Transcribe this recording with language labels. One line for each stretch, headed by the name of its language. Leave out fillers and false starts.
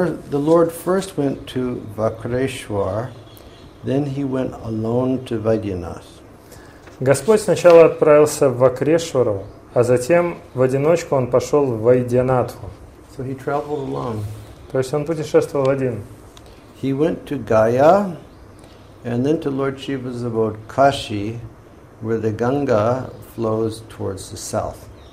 English: The Lord first went to Vakreshwar, then he went alone to Vaidyanath.
Russian: Господь сначала отправился в Вакрешвару, а затем в одиночку он пошел в Вайдянатху.
English: So he traveled alone.
Russian: То есть он путешествовал один.
English: He went to Gaya, and then to Lord Shiva's abode, Kashi, where the Ganga flows towards the south.